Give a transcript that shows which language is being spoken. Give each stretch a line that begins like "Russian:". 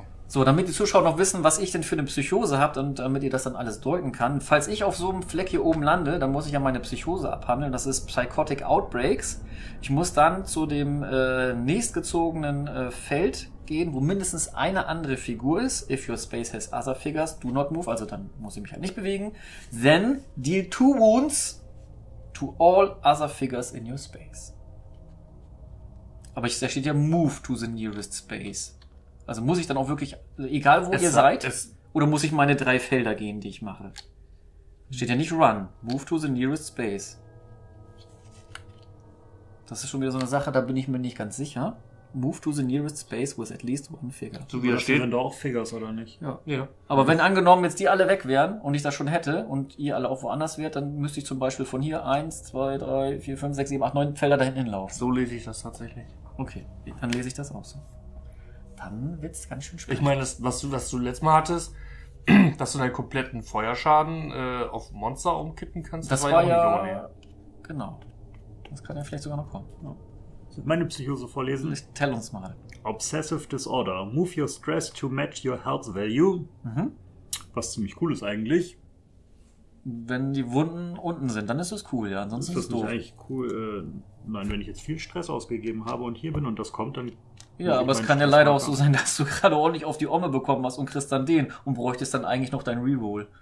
German: so, damit die Zuschauer noch wissen, was ich denn für eine Psychose habt und damit ihr das dann alles deuten kann. Falls ich auf so einem Fleck hier oben lande, dann muss ich ja meine Psychose abhandeln. Das ist Psychotic Outbreaks. Ich muss dann zu dem nächstgezogenen Feld gehen, wo mindestens eine andere Figur ist.
English: If your space has other figures, do not move.
German: Also dann muss ich mich halt nicht bewegen.
English: Then deal 2 wounds to all other figures in your space.
German: Aber da steht ja
English: move to the nearest space.
German: Also muss ich dann auch wirklich, egal wo ihr seid, oder muss ich meine 3 Felder gehen, die ich mache? Steht ja nicht run.
English: Move to the nearest space.
German: Das ist schon wieder so eine Sache, da bin ich mir nicht ganz sicher.
English: Move to the nearest space with at least one figure.
German: So wie das steht, wenn da auch Figures oder nicht. Ja. Aber wenn angenommen jetzt die alle weg wären und ich das schon hätte und ihr alle auch woanders wärt, dann müsste ich zum Beispiel von hier 1, 2, 3, 4, 5, 6, 7, 8, 9 Felder dahin hinlaufen. So lese ich das tatsächlich. Okay, dann lese ich das auch so. Dann wird es ganz schön spät. Ich meine, was du letztes Mal hattest, dass du deinen kompletten Feuerschaden auf Monster umkippen kannst. Das war ja... Genau. Das kann ja vielleicht sogar noch kommen. Ja. Meine Psychose vorlesen. Tell uns mal.
English: Obsessive Disorder. Move your stress to match your health value.
German: Was ziemlich cool ist eigentlich. Wenn die Wunden unten sind, dann ist das cool, ja. Ansonsten ist das doof. Eigentlich cool. Nein, wenn ich jetzt viel Stress ausgegeben habe und hier bin und das kommt, dann... Ja, aber es kann ja leider auch so sein, dass du gerade ordentlich auf die Omme bekommen hast und kriegst dann den und bräuchtest dann eigentlich noch dein Reroll.